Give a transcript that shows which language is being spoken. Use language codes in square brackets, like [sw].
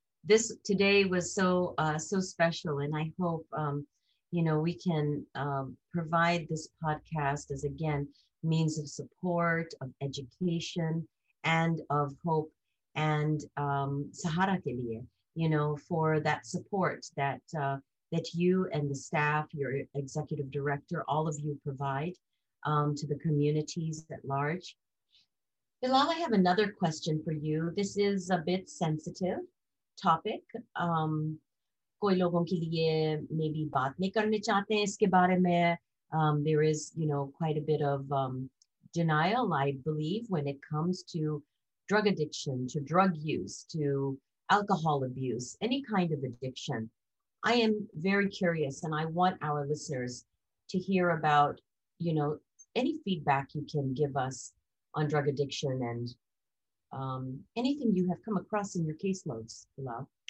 [en] This today was so special, and I hope we can provide this podcast as, again, means of support, of education, and of hope, and [hi] sahara ke liye, [en] for that support that that you and the staff, your executive director, all of you provide to the communities at large. Bilal, I have another question for you. This is a bit sensitive topic. [hi] कोई लोगों के लिए maybe बात नहीं करने चाहते हैं इसके बारे में. [en] There is, quite a bit of denial, I believe, when it comes to drug addiction, to drug use, to alcohol abuse, any kind of addiction. I am very curious, and I want our listeners to hear about, any feedback you can give us on drug addiction and anything you have come across in your caseloads, Bilal.